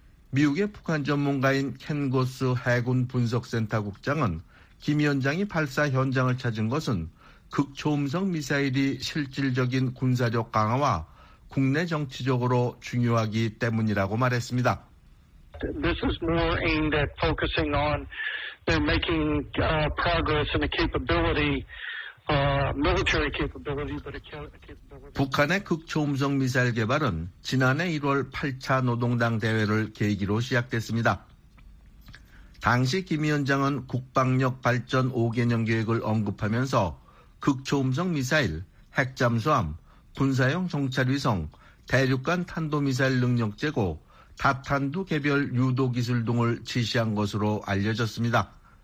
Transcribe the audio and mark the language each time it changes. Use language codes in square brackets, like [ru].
[ko] 미국의 북한 전문가인 켄고스 해군 분석센터 국장은 김 위원장이 발사 현장을 찾은 것은 극초음속 미사일이 실질적인 군사력 강화와 국내 정치적으로 중요하기 때문이라고 말했습니다. [en] This is more aimed at focusing on them making progress in a capability, military capability, but a capability. [ko] 북한의 극초음속 미사일 개발은 지난해 1월 8차 노동당 대회를 계기로 시작됐습니다. 당시 김 위원장은 국방력 발전 5개년 계획을 언급하면서 극초음속 미사일, 핵잠수함, 군사용 정찰위성, 대륙간 탄도미사일 능력 제고, 다탄두 개별 유도 기술 등을 지시한 것으로 알려졌습니다.